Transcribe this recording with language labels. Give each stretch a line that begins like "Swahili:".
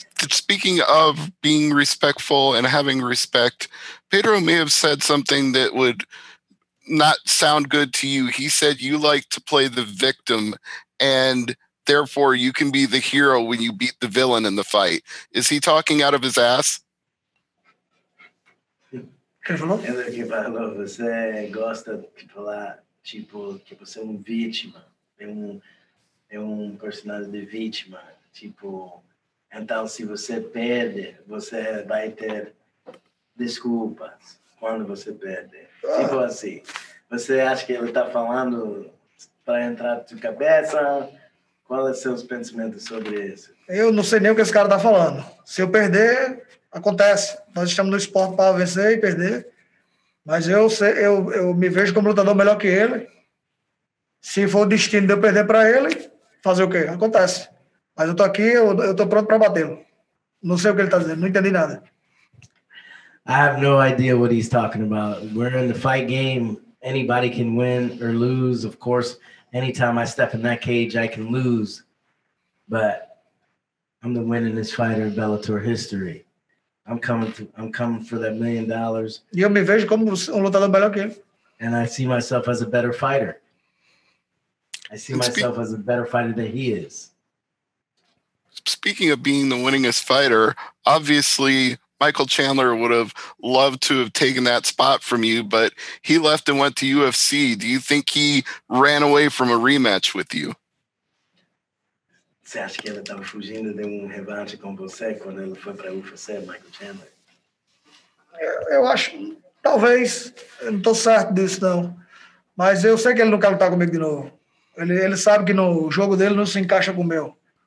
English: Speaking of being respectful and having respect, Pedro may have said something that would not sound good to you. He said you like to play the victim and therefore you can be the hero when you beat the villain in the fight. Is he talking out of his ass?
Portuguese: Ele que falou, você gosta de falar, tipo, que você é um vítima, é um personagem de vítima, tipo, então se você perde, você vai ter desculpas quando você perde, tipo assim, você acha que ele tá falando pra entrar na sua cabeça, Qual é seus pensamentos sobre isso? Eu não sei nem o que esse cara está falando. Se eu perder, acontece. Nós estamos no esporte para vencer e perder. Mas eu, sei, eu me vejo como lutador melhor que ele. Se for o destino de eu perder para ele, fazer o quê? Acontece. Mas eu estou aqui, eu estou pronto para batê-lo. Não sei o que ele está dizendo, não entendi nada.
English: I have no idea what he's talking about. We're in the fight game. Anybody can win or lose. Of course, anytime I step in that cage, I can lose. But I'm the winningest fighter in Bellator history. I'm coming for that $1 million.
Portuguese: Eu me vejo como lutador melhor que ele.
English: And I see myself as a better fighter. I see myself as a better fighter than he is. Speaking of being the winningest fighter, obviously, Michael Chandler would have loved to have taken that spot from you, but he left and went to UFC. Do you think he ran away from a rematch with you?
Portuguese: Você acha que ele estava fugindo de um revanche com você quando ele foi para a UFC, Michael Chandler? Eu acho, talvez, eu não estou certo disso, não. Mas eu sei que ele não quer lutar comigo de novo. Ele sabe que no jogo dele não se encaixa com o meu.